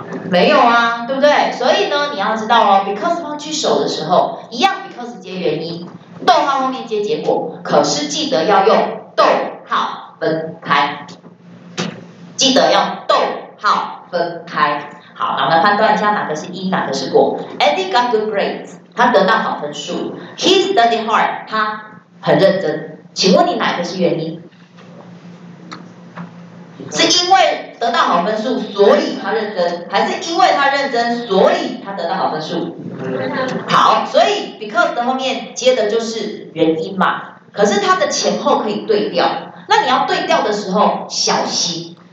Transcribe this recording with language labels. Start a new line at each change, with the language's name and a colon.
Chinese: 没有啊，对不对？所以呢，你要知道哦 ，because 放句首的时候，一样 because 接原因，逗号后面接结果，可是记得要用逗号分开，记得要逗号分开。好，那我们判断一下哪个是因，哪个是果。
English: Andy got good grades，
Chinese: 他得到好分数。
English: He studied hard，
Chinese: 他很认真。请问你哪个是原因？是因为得到好分数，所以他认真，还是因为他认真，所以他得到好分数？好，所以 because 的后面接的就是原因嘛。可是他的前后可以对调，那你要对调的时候小心。